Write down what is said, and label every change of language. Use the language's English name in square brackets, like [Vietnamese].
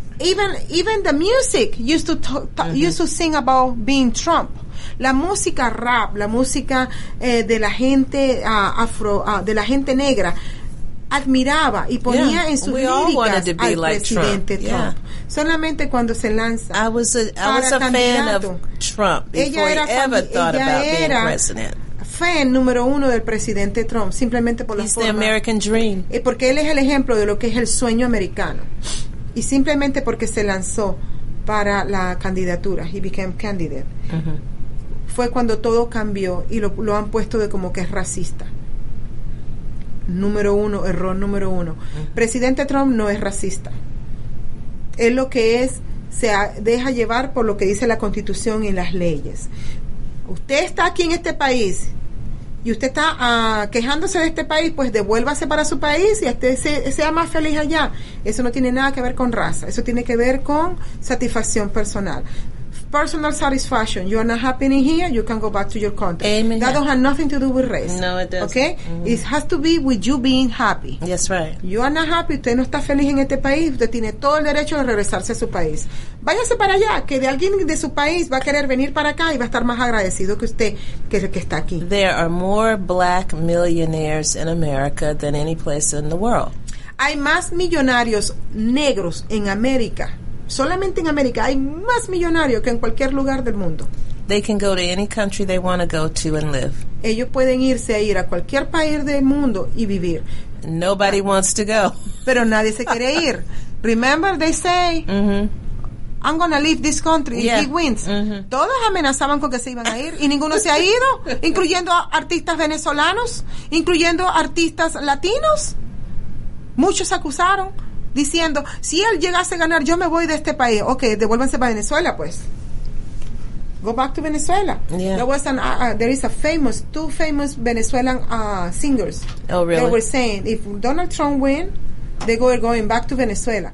[English] Even the music used to sing about being Trump. [Spanish] La música rap, la música de la gente de la gente negra, admiraba y ponía [English] yeah, [Spanish] en sus líricas al [English] like [Spanish] presidente Trump. [English] Yeah. [Spanish] Solamente cuando se lanza. [English] I was a fan of Trump [Spanish] fan número uno del presidente Trump, simplemente por [English] He's the American dream. [Spanish] Porque él es el ejemplo de lo que es el sueño americano. Y simplemente porque se lanzó para la candidatura, [English] he became candidate, uh-huh. [Spanish] fue cuando todo cambió y lo han puesto de como que es racista. número uno, error número uno. Presidente Trump no es racista. Es lo que es, se deja llevar por lo que dice la Constitución y las leyes. Usted está aquí en este país y usted está quejándose de este país, pues devuélvase para su país y usted sea más feliz allá. Eso no tiene nada que ver con raza, eso tiene que ver con satisfacción personal. [English] Personal satisfaction. You are not happy in here, you can go back to your country. Amen. That don't have nothing to do with race. No, it doesn't. Okay? Mm-hmm. It has to be with you being happy. That's right. You are not happy, [Spanish] usted no está feliz en este país, usted tiene todo el derecho de regresarse a su país. Váyase para allá, que de alguien de su país va a querer venir para acá y va a estar más agradecido que usted, que el que está aquí. [English] There are more black millionaires in America than any place in the world. [Spanish] Hay más millonarios negros en América. Solamente en América hay más millonarios que en cualquier lugar del mundo. [English] They can go to any country they want to go to and live. [Spanish] Ellos pueden irse a ir a cualquier país del mundo y vivir. [English] Nobody wants to go. [Spanish] Pero nadie se quiere ir. [English] Remember they say, I'm going to leave this country if he wins. Mm-hmm. [Spanish] Todos amenazaban con que se iban a ir y ninguno se ha ido, incluyendo artistas venezolanos, incluyendo artistas latinos. Muchos acusaron. Diciendo, si él llegase a ganar, yo me voy de este país. Okay, devuélvanse para Venezuela, pues. [English] Go back to Venezuela. Yeah. There was an, there is a famous, two famous Venezuelan singers. Oh, really? They were saying, if Donald Trump win, they were going back to Venezuela.